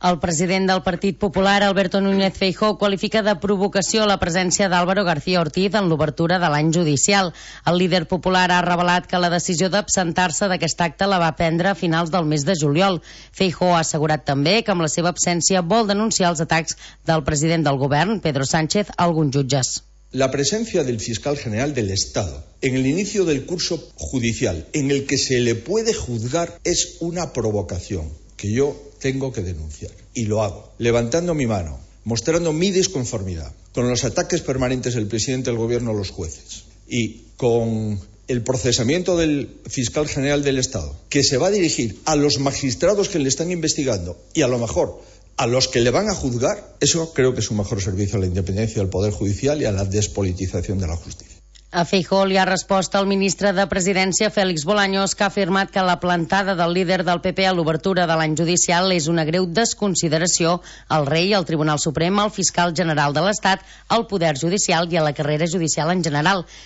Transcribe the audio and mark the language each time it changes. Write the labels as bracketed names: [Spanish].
[Catalan] El president del Partit Popular, Alberto Núñez Feijóo, qualifica de provocació la presència d'Álvaro García Ortiz en l'obertura de l'any judicial. El líder popular ha revelat que la decisió d'absentar-se d'aquest acte la va prendre a finals del mes de juliol. Feijóo ha assegurat també que amb la seva absència vol denunciar els atacs del president del govern, Pedro Sánchez, a alguns jutges. [Spanish] La presencia del fiscal general del Estado en el inicio del curso judicial en el que se le puede juzgar es una provocación que yo tengo que denunciar. Y lo hago, levantando mi mano, mostrando mi disconformidad con los ataques permanentes del presidente del gobierno a los jueces y con el procesamiento del fiscal general del Estado, que se va a dirigir a los magistrados que le están investigando y a lo mejor a los que le van a juzgar. Eso creo que es un mejor servicio a la independencia del Poder Judicial y a la despolitización de la justicia. [Catalan] A Feijóo li ha respost el ministre de Presidència, Félix Bolaños, que ha afirmat que la plantada del líder del PP a l'obertura de l'any judicial és una greu desconsideració al rei, al Tribunal Suprem, al fiscal general de l'Estat, al Poder Judicial i a la carrera judicial en general.